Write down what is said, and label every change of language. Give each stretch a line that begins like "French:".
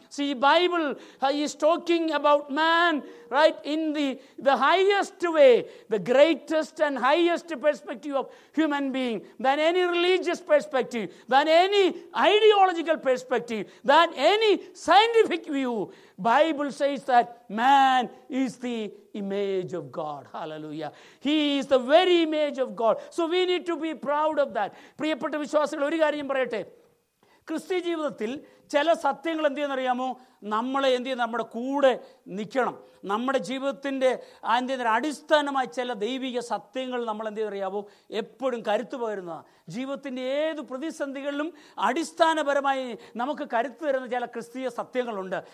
English: See Bible is talking about man right in the highest way, the greatest and highest perspective of human being than any religious perspective, than any ideological perspective, than any scientific view. Bible says that man is the image of God. Hallelujah. He is the very image of God. So we need to be proud of that.
Malayalam: പ്രിയപ്പെട്ട വിശ്വാസികളെ, ഒരു കാര്യം പറയട്ടെ, ക്രിസ്ത്യ ജീവിതത്തിൽ ചില സത്യങ്ങൾ എന്ത് ചെയ്യുന്ന അറിയാമോ, നമ്മളെ എന്ത് ചെയ്യുന്ന, നമ്മുടെ കൂടെ നിൽക്കണം. നമ്മുടെ ജീവിതത്തിൻ്റെ എന്ത് ചെയ്യുന്ന അടിസ്ഥാനമായ ചില ദൈവിക സത്യങ്ങൾ നമ്മൾ എന്ത് ചെയ്യുന്ന അറിയാമോ, എപ്പോഴും കരുത്തു പകരുന്നതാണ്. ജീവിതത്തിൻ്റെ ഏത് പ്രതിസന്ധികളിലും അടിസ്ഥാനപരമായി നമുക്ക് കരുത്തു തരുന്ന ചില ക്രിസ്തീയ സത്യങ്ങളുണ്ട്.